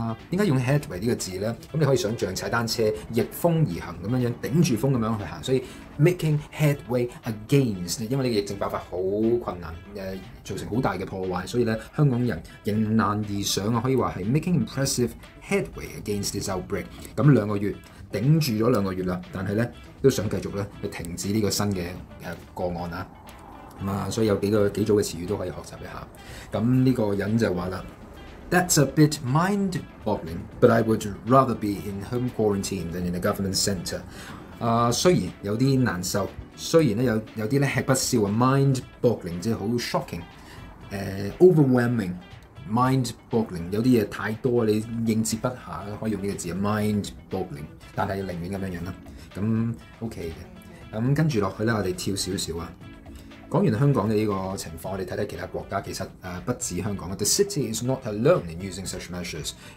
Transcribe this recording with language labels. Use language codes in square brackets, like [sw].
[yue] 點解用 headway 呢個字咧？咁你可以想像踩單車逆風而行咁樣樣，頂住風咁樣去行，所以 [en] making headway against， [yue] 因為呢個疫症爆發好困難，造成好大嘅破壞，所以咧香港人迎難而上啊，可以話係 [en] making impressive headway against this outbreak。 [yue] 咁兩個月頂住咗兩個月啦，但係咧都想繼續咧去停止呢個新嘅個案啊。咁啊，所以有幾組嘅詞語都可以學習一下。咁呢個人就話啦。 [en] That's a bit mind-boggling, but I would rather be in home quarantine than in a government center. [yue] 雖然有啲難受，雖然咧有啲咧吃不消啊 ，mind-boggling 即係好 shocking， overwhelming， mind-boggling 有啲嘢太多你應接不暇，可以用呢個字啊 ，mind-boggling。但係寧願咁樣樣啦，咁 OK 嘅。咁跟住落去咧，我哋跳少少啊。講完香港嘅呢個情況，我哋睇睇其他國家，其實不止香港。 [en] The city is not alone in using such measures。